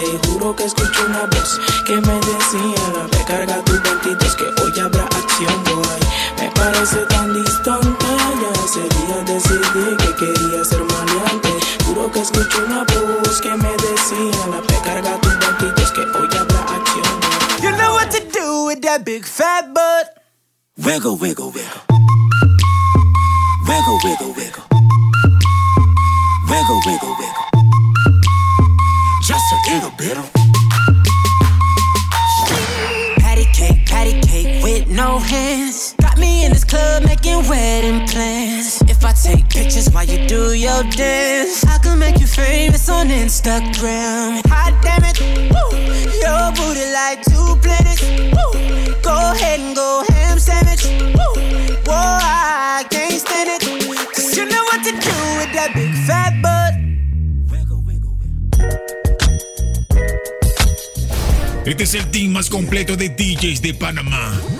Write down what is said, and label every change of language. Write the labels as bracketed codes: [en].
[es] Y juro que escuché una voz que me decía: recarga tus 22 que hoy habrá acción, [en] boy. [es] Me parece tan distante, ya ese día decidí que quería ser maleante. Juro que escuché una voz que me decía: recarga tus 22 que hoy habrá acción, boy. [en] You know what to do with that big fat butt. Wiggle, wiggle, wiggle. Wiggle, wiggle, wiggle. Wiggle, wiggle, wiggle. Just a little bit of patty cake with no hands. Got me in this club making wedding plans. If I take pictures while you do your dance, I can make you famous on Instagram. Hot damn it, woo. Your booty like two planets. Woo. Go ahead and go ham sandwich. Woo. Whoa, I can't stand it. Cause you know what to do with that big fat butt. [es] Este es el team más completo de DJs de Panamá.